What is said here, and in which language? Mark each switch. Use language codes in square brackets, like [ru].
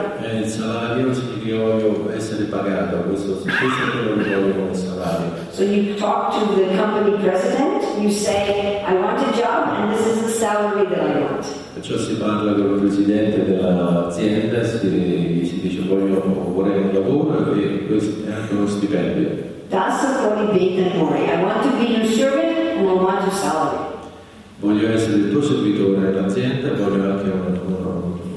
[it] Il salario significa voglio essere pagato, questo è quello che voglio con il salario. [en] So you talk to the company president, you say I want a job and this is the salary that I want. [it] Perciò si parla con il presidente dell'azienda, si dice vorrei un lavoro e questo è anche uno stipendio. [bn] Dasa kori betan more. [en] I want to be your servant and I want a salary. [it] Voglio essere il tuo servitore nell'azienda, voglio anche un lavoro.